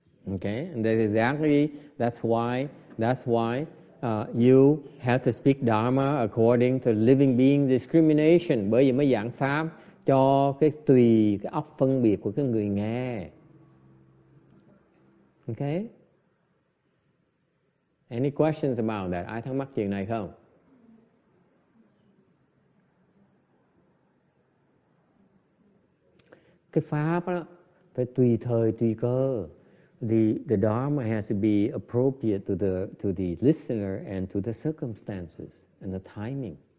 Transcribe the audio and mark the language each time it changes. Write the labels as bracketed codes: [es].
[en] Okay, and that is exactly that's why you have to speak Dharma according to living being discrimination. [vi] Bởi vì mới giảng pháp cho cái tùy cái óc phân biệt của cái người nghe. [en] Okay. Any questions about that? [vi] Ai thắc mắc chuyện này không? Cái pháp đó phải tùy thời tùy cơ. [en] The Dharma has to be appropriate to the listener and to the circumstances and the timing.